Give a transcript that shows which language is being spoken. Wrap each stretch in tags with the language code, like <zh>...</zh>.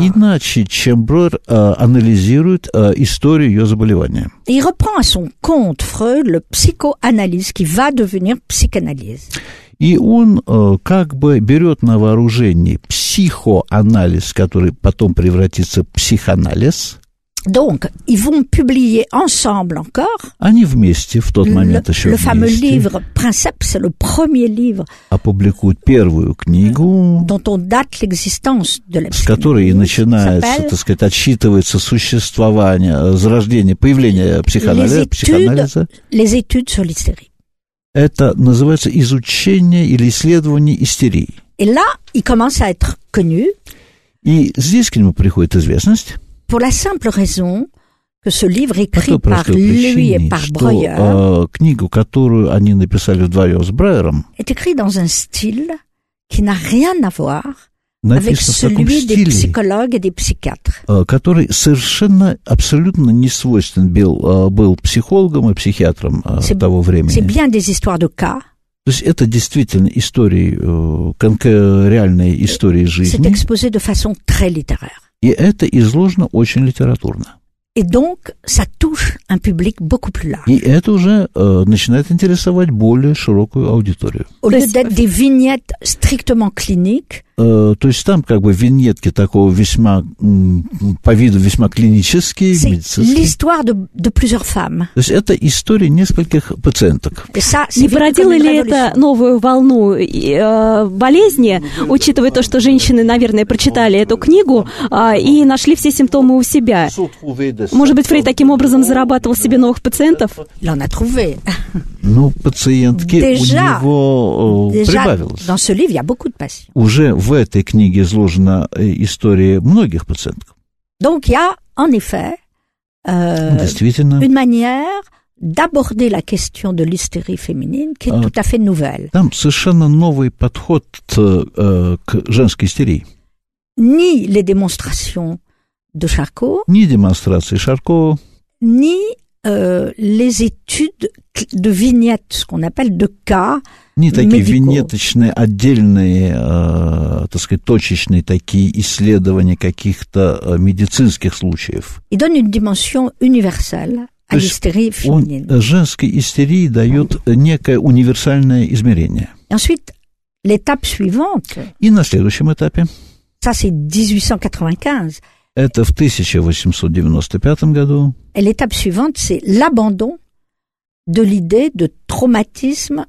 <fr>Il reprend à son compte Freud le psychoanalyse qui va devenir psychanalyse.</fr> <ru>И он как бы берет на вооружение психоанализ, который потом превратится в психоанализ.</ru> <fr>Donc, ils vont publier ensemble encore.</fr> <ru>Они вместе в тот момент еще вместе.</ru> <fr>Le fameux livre Princeps, c'est le premier livre.</fr> <ru>Опубликуют первую книгу.</ru> <fr>Dont on date l'existence de la psychanalyse.</fr> <ru>С которой и начинается, так сказать, отсчитывается существование, зарождение, появление психоанализа.</ru> <fr>Les études sur l'hystérie.</fr> <ru>Это называется изучение или исследование истерии.</ru> <fr>Et là, il commence à être connu.</fr> <ru>И здесь к нему приходит известность.</ru> <fr>Pour la simple raison que ce livre écrit par lui et par Breuer,</fr> <ru>книгу, которую они написали вдвоем с Брайером,</ru> <fr>est écrit dans un style qui n'a rien à voir avec celui des psychologues et des psychiatres.</fr> <ru>Который совершенно, абсолютно не свойственен был психологам и психиатрам того времени.</ru> <fr>C'est bien des histoires de cas.</fr> <ru>То есть это действительно истории, реальные истории жизни.</ru> <fr>C'est exposé de façon très littéraire.</fr> <ru>И это изложено очень литературно.</ru> <fr>Et donc, ça touche un public beaucoup plus large.</fr> <ru>И это уже начинает интересовать более широкую аудиторию.</ru> <fr>Au lieu d'être des vignettes strictement cliniques,</fr> <ru>то есть там как бы виньетки такого весьма, по виду весьма клинические,</ru> <fr>c'est</fr> <ru>медицинские.</ru> <fr>L'histoire de plusieurs femmes.</fr> <ru>То есть это история нескольких пациенток.</ru> <fr>Ça,</fr> <ru>не породило ли это новую волну болезни, учитывая то, что женщины, наверное, прочитали эту книгу и нашли все симптомы у себя? Может быть, Фрейд таким образом зарабатывал себе новых пациентов?</ru> <fr>L'on a trouvé.</fr> <ru>Ну, пациентки</ru> <fr>déjà,</fr> <ru>у него прибавилось.</ru> <fr>Dans ce livre, il y a beaucoup de patients.</fr> <ru>Уже в этой книге изложена история многих пациентов.</ru> <fr>Donc, il y a, en effet,</fr> <ru>действительно,</ru> <fr>une manière d'aborder la question de l'hystérie féminine qui est tout à fait nouvelle.</fr> <ru>Там совершенно новый подход к женской истерии.</ru> <fr>Ni les démonstrations de Charcot. Ni</fr> <ru>демонстрации Charcot.</ru> <fr>Ni les études de vignettes, ce qu'on appelle de cas.</fr> <ru>Не такие виньеточные, отдельные, так сказать, точечные такие исследования каких-то медицинских случаев.</ru> <fr>Il donne une dimension universelle à l'hystérie féminine.</fr> <ru>Женской истерии дает некое универсальное измерение.</ru> <fr>Ensuite, l'étape suivante.</fr> <ru>И на следующем этапе.</ru> <fr>Ça, c'est 1895.</fr> <ru>Это в 1895 году.</ru> <fr>Et l'étape suivante, c'est l'abandon de l'idée de traumatisme</fr>